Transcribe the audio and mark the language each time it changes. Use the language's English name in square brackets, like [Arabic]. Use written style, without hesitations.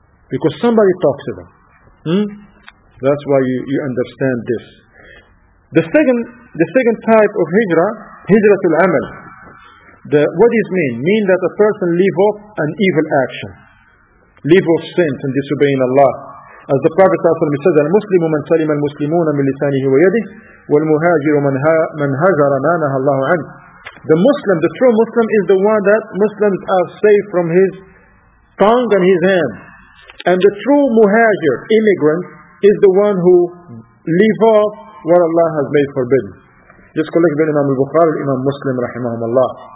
[English] Because somebody talks to them. That's why you understand this. The second type of hijrah, hijratul amal. What does it mean? Mean that a person leave off an evil action. Leave off sin and disobeying Allah. As the Prophet said, [Arabic] المسلم من سلم المسلمون من لسانه ويده والمهاجر من هجر ما نهى الله عنه. [English] The Muslim, the true Muslim, is the one that Muslims are saved from his tongue and his hand. And the true muhajir, immigrant, is the one who leave off what Allah has made forbidden. Just collect the Imam al-Bukhari, Imam Muslim, rahimahum Allah.